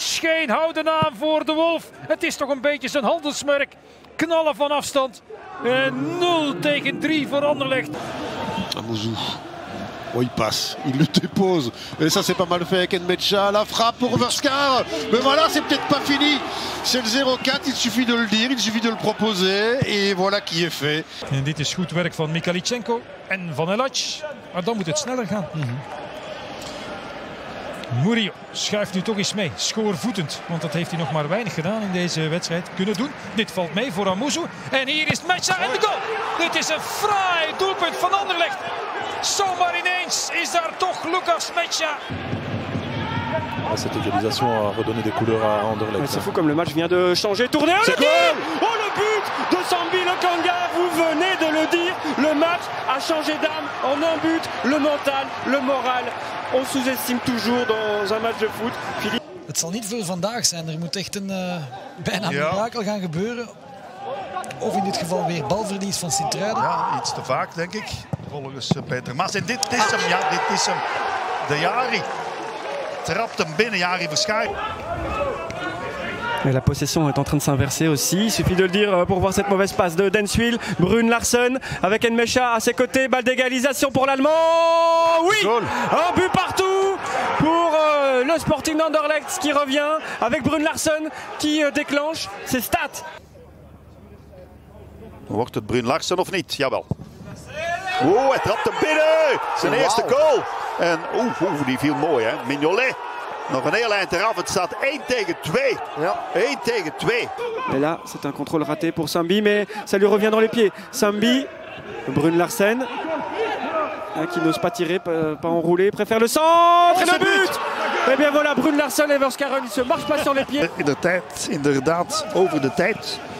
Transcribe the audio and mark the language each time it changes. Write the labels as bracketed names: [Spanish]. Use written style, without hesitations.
[Dutch] Geen houden aan voor de Wolf. Het is toch een beetje zijn handelsmerk. Knallen van afstand. En 0 tegen 3 voor Anderlecht. [French] Amouzou. Oh, il passe. Il le dépose. Et ça, c'est pas mal fait avec Nmecha. La frappe pour Verscar. Mais voilà, c'est peut-être pas fini. C'est le 0-4. Il suffit de le dire. Il suffit de le proposer. Et voilà qui est fait. [Dutch] En dit is goed werk van Mikhailichenko en van Elac. Maar dan moet het sneller gaan. Murillo schuift nu toch eens mee. Schoorvoetend. Want dat heeft hij nog maar weinig gedaan in deze wedstrijd. Kunnen doen. Dit valt mee voor Amouzou. En hier is Mecha en de goal. Dit is een fraai doelpunt van Anderlecht. Zomaar ineens is daar toch Lucas Mecha. [French] Cette égalisation a redonné des couleurs à Anderlecht. C'est fou comme le match vient de changer. Tourner. Oh, c'est goal. Oh, le but de Sambi Lokanga. Vous venez de le dire. Le match a changé d'âme en un but. Le mental, le moral. On sous-estime toujours dans un match de foot. Philippe. [Dutch] Het zal niet veel vandaag zijn. Er moet echt een bijna mirakel gaan gebeuren. Of in dit geval weer balverlies van Sint-Truiden. Ja, iets te vaak, denk ik. Volgens Peter Maas. En dit is hem. Ja, dit is hem. De Jari. Trapt hem binnen, Jari Verschuijen. [French] La possession est en train de s'inverser aussi. Il suffit de le dire pour voir cette mauvaise passe de Denswil. Brun Larsen avec Nmecha à ses côtés. Balle d'égalisation pour l'Allemand. Oui, un but partout pour le Sporting d'Anderlecht qui revient avec Brun Larsen qui déclenche ses stats. [Dutch] Wordt het Brun Larsen of niet? Jawel. Oeh, hij trapt hem binnen. Zijn eerste goal. En die viel mooi, hè. Mignolet. Nog een heel eind eraf. Het staat 1 tegen 2. Ja. 1 tegen 2. [French] En là, c'est un contrôle raté pour Sambi, mais ça lui revient dans les pieds. Sambi, Brun Larsen, qui n'ose pas tirer, pas enrouler, préfère le centre. Et le but. Et bien voilà, Brun Larsen, Everskaren, il se marche pas sur les pieds. [Dutch] In de tijd, inderdaad, over de tijd.